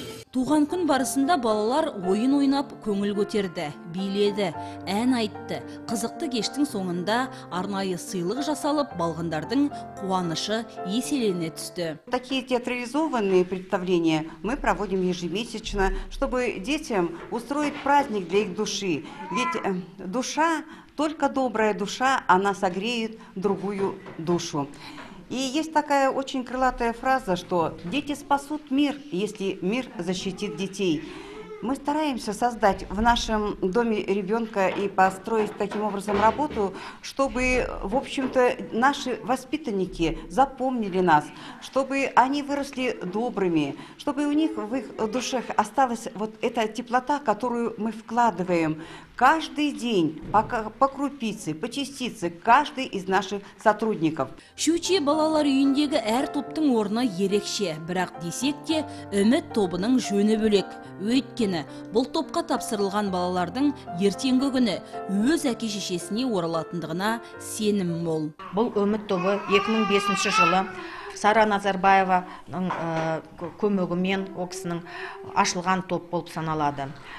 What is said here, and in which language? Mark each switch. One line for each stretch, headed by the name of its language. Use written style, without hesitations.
Kazakh: Туған күн барысында балалар ойын ойнап, көңіл көтерді, биледі, ән айтты. Қызықты кештің соңында арнайы сыйлық жасалып, балғындардың қуанышы еселене түсті.
Russian: Такие театрализованные представления мы проводим ежемесячно, чтобы детям устроить праздник для их души. Ведь душа, только добрая душа, она согреет другую душу. И есть такая очень крылатая фраза, что дети спасут мир, если мир защитит детей. Мы стараемся создать в нашем доме ребенка и построить таким образом работу, чтобы, в общем-то, наши воспитанники запомнили нас, чтобы они выросли добрыми, чтобы у них в их душах осталась вот эта теплота, которую мы вкладываем каждый день, по крупице, по частице, каждый из наших сотрудников.
Kazakh: Шучи балалар үйіндегі әр топтың орны ерекше, бірақ десек те, үміт тобының жөні бөлек. Өйткені, бұл топқа тапсырылған балалардың ертеңгі күні өз әке-шешесіне оралатындығына сенім мол. Бұл үміт тобы 2005 жылы Сара Назарбаеваның көмегімен оқысының ашылған топ болып саналады.